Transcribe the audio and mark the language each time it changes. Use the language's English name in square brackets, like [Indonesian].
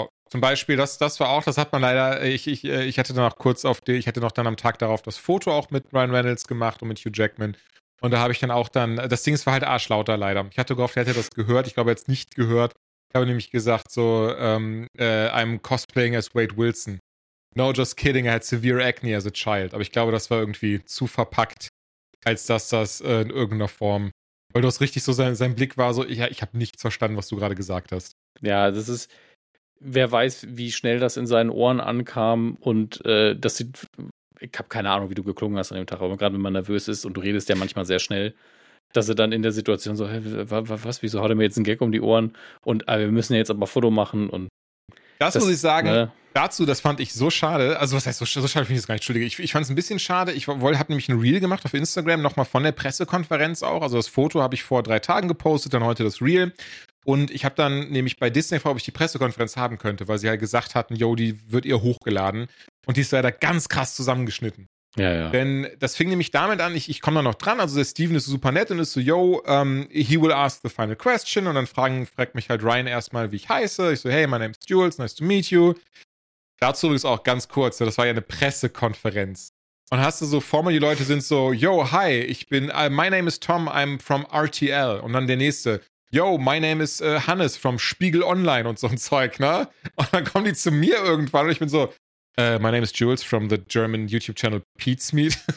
[German] Zum Beispiel, das war auch, das hat man leider, ich hatte dann auch kurz auf die, ich hatte noch dann am Tag darauf das Foto auch mit Ryan Reynolds gemacht und mit Hugh Jackman. Und da habe ich dann auch dann, das Ding ist, war halt arschlauter leider. Ich hatte gehofft, er hätte das gehört, ich glaube jetzt nicht gehört. Ich habe nämlich gesagt, so, [English] I'm cosplaying as Wade Wilson. No, just kidding, I had severe acne as a child. [German] Aber ich glaube, das war irgendwie zu verpackt, als dass das in irgendeiner Form, weil du hast richtig so, sein Blick war so, ich habe nichts verstanden, was du gerade gesagt hast. Ja, das ist, wer weiß, wie schnell das in seinen Ohren ankam und das sieht, ich habe keine Ahnung, wie du geklungen hast an dem Tag, aber gerade wenn man nervös ist und du redest ja manchmal sehr schnell, dass er dann in der Situation so, hey, was, wieso haut er mir jetzt einen Gag um die Ohren und wir müssen ja jetzt aber Foto machen und das muss ich sagen, dazu, das fand ich so schade, also was heißt so schade, finde ich das gar nicht, entschuldige, ich fand es ein bisschen schade, ich habe nämlich ein Reel gemacht auf Instagram, nochmal von der Pressekonferenz auch, also das Foto habe ich vor 3 Tagen gepostet, dann heute das Reel. Und ich habe dann nämlich bei Disney gefragt, ob ich die Pressekonferenz haben könnte, weil sie halt gesagt hatten, yo, die wird ihr hochgeladen. Und die ist leider ganz krass zusammengeschnitten. Ja, ja. Denn das fing nämlich damit an, ich komme da noch dran, also der Steven ist super nett und ist so, yo, [English] he will ask the final question. [German] Und dann fragt mich halt Ryan erstmal, wie ich heiße. Ich so, [English] hey, my name is Jules, nice to meet you. [German] Dazu übrigens auch ganz kurz, das war ja eine Pressekonferenz. Und hast du so, formal, die Leute sind so, yo, hi, ich bin, [English] my name is Tom, I'm from RTL. [German] Und dann der Nächste, yo, [English] my name is Hannes from Spiegel Online [German] und so ein Zeug, ne? Und dann kommen die zu mir irgendwann und ich bin so, [English] my name is Jules from the German YouTube Channel Pete's Meet.